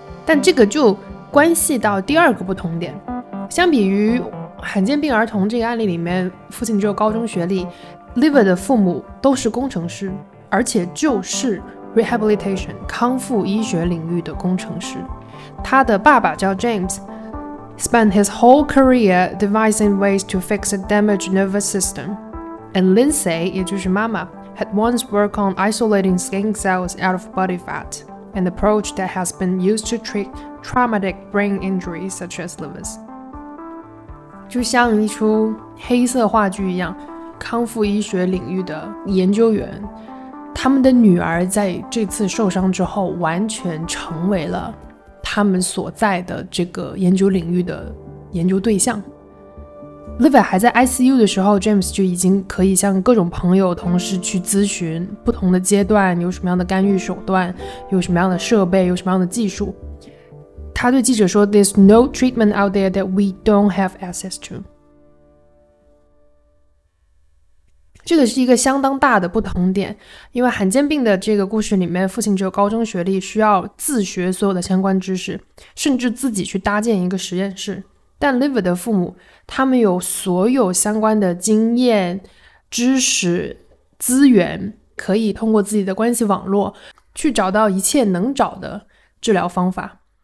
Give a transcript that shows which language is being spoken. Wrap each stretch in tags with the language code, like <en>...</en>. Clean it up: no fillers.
<zh>但这个就关系到第二个不同点，相比于罕见病儿童这个案例里面父亲只有高中学历， Liver 的父母都是工程师，而且就是 rehabilitation 康复医学领域的工程师。他的爸爸叫</zh> <en>James， spent his whole career devising ways to fix a damaged nervous system， and Lindsay</en> <zh>也就是妈妈</zh> <en>had once worked on isolating skin cells out of body fat， an approach that has been used to treat traumatic brain injuries such as Liver's。</en> <zh>就像一出黑色话剧一样，康复医学领域的研究员，他们的女儿在这次受伤之后完全成为了他们所在的这个研究领域的研究对象。 Livia 还在 ICU 的时候， James 就已经可以向各种朋友同事去咨询不同的阶段有什么样的干预手段，有什么样的设备，有什么样的技术。他对记者说，</zh> <en>There's no treatment out there that we don't have access to。</en> <zh>这个是一个相当大的不同点，因为罕见病的这个故事里面，父亲只有高中学历，需要自学所有的相关知识，甚至自己去搭建一个实验室。但 Livia 的父母，他们有所有相关的经验、知识、资源，可以通过自己的关系网络去找到一切能找的治疗方法。</zh>